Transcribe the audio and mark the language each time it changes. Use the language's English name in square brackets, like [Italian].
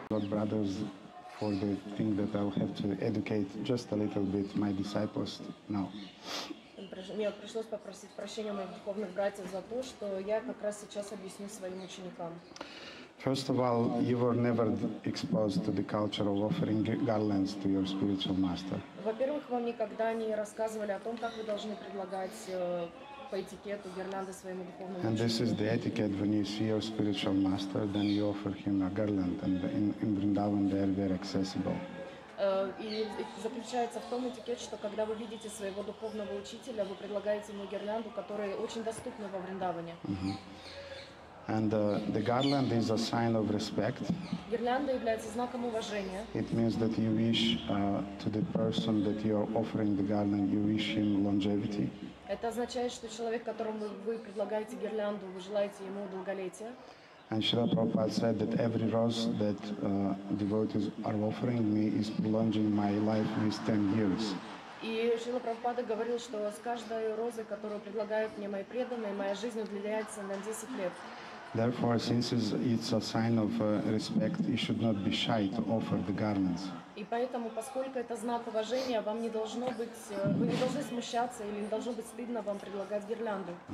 [English] Brothers, for the thing that I'll have to educate just a little bit my disciples now. [Russian] Мне пришлось попросить прощения моих духовных братьев за то, что я как раз сейчас объясню своим ученикам. [English] First of all, you were never exposed to the culture of offering garlands to your spiritual master. [Russian] Во-первых, вам никогда не рассказывали о том, как вы должны предлагать по этикету гирлянды своему духовному [English] And this is the etiquette when you see your spiritual master, then you offer him a garland, and in Vrindavan they are very accessible. [Russian] И заключается в том этикет, что когда вы видите своего духовного учителя, вы предлагаете ему гирлянду, которая очень доступна во Вриндаване. [English] And the garland is a sign of respect. [Russian] Гирлянда является знаком уважения. [English] It means that you wish to the person that you are offering the garland, you wish him longevity. [Russian] Это означает, что человек, которому вы предлагаете гирлянду, вы желаете ему долголетия. [English] And Srila Prabhupada said that every rose that devotees are offering me is prolonging my life with 10 years. [Russian] И Шрила Прабхупада говорил, что с каждой розой, которую предлагают мне мои преданные, моя жизнь удлиняется на 10 лет. [English] Therefore, since it's a sign of respect, you should not be shy to offer the garlands. [Russian] И поэтому, поскольку это знак уважения, вам не должно быть, вы не должны смущаться или не должно быть стыдно вам предлагать гирлянду.